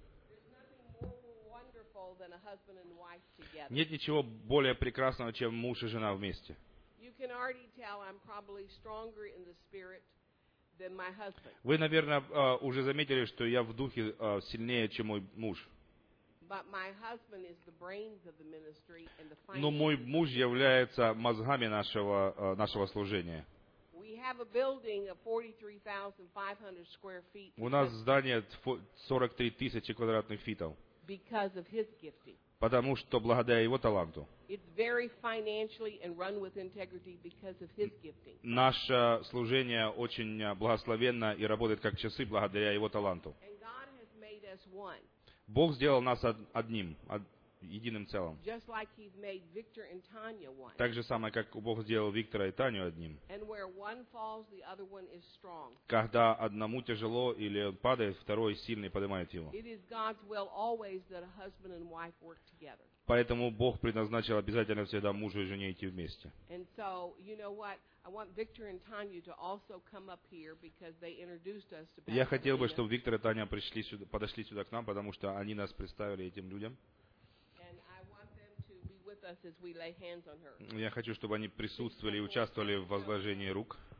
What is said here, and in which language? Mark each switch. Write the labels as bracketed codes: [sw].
[en] There's nothing more wonderful than a husband and wife together. [ru] Нет ничего более прекрасного, чем муж и жена вместе. [en] You can already tell I'm probably stronger in the spirit than my husband. [ru] Вы, наверное, уже заметили, что я в духе сильнее, чем мой муж. [en] But my husband is the brains of the ministry and the finances. [ru] Но мой муж является мозгами нашего служения. [en] We have a building of 43,500 square feet. [ru] У нас здание 43,000 квадратных фитов. [en] Because of his gifting. [ru] Потому что благодаря его таланту. [en] It's very financially and run with integrity because of his gifting. [ru] Наше служение очень благословенно и работает как часы благодаря его таланту. [en] And God has made us one. [ru] Бог сделал нас одним, единым целым. [en] Just like he's made Victor and Tanya one. [ru] Так же самое, как Бог сделал Виктора и Таню одним. [en] And where one falls, the other one is strong. [ru] Когда одному тяжело или он падает, второй сильный поднимает его. [en] It is God's will always that a husband and wife work together. [ru] Поэтому Бог предназначил обязательно всегда мужу и жене идти вместе. [en] And so, you know what? I want Victor and Tanya to also come up here because they introduced us to [ru] Я хотел бы, чтобы Виктор и Таня пришли сюда, подошли сюда к нам, потому что они нас представили этим людям. [en] And I want them to be with us as we lay hands on her. [ru] Я хочу, чтобы они присутствовали и участвовали в возложении рук.